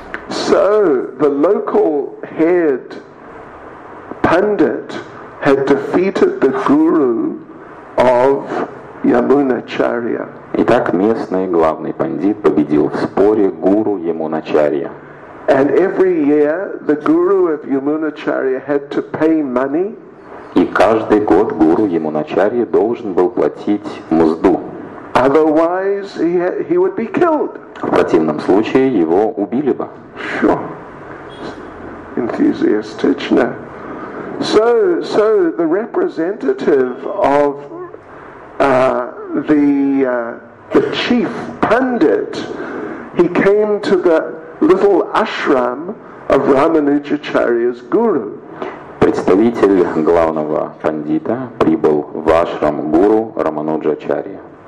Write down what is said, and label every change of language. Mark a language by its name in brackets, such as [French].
[English] So the local head pundit had defeated the guru of Yamunacharya. [Russian] Итак, местный главный пандит победил в споре гуру Ямуначарья. [English] And every year the guru of Yamunacharya had to pay money. [Russian] И каждый год гуру Ямуначарья должен был платить мзду. [English] Otherwise he would be killed. [Russian] В противном случае его убили бы. [English] Sure. Enthusiastichna. So the representative of the chief pundit, he came to the little ashram of Ramanujacharya's guru. [Russian] Представитель главного пандита прибыл в ашрам гуру Рамануджачарьи.